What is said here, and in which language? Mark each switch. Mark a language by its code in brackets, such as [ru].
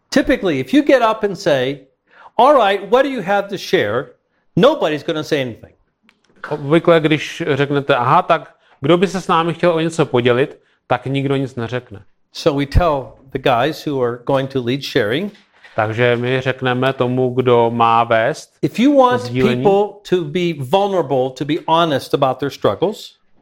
[en] Typically, if you get up and say, "All right, what do you have to share?" Nobody's going to say anything. [cs] Obvykle, když řeknete, aha, tak kdo by se s námi chtěl o něco podělit, tak nikdo nic neřekne. [en] So we tell the guys who are going to lead sharing. [cs] Takže my řekneme tomu, kdo má vést. [en] If you want people to be vulnerable, to be honest about their struggles.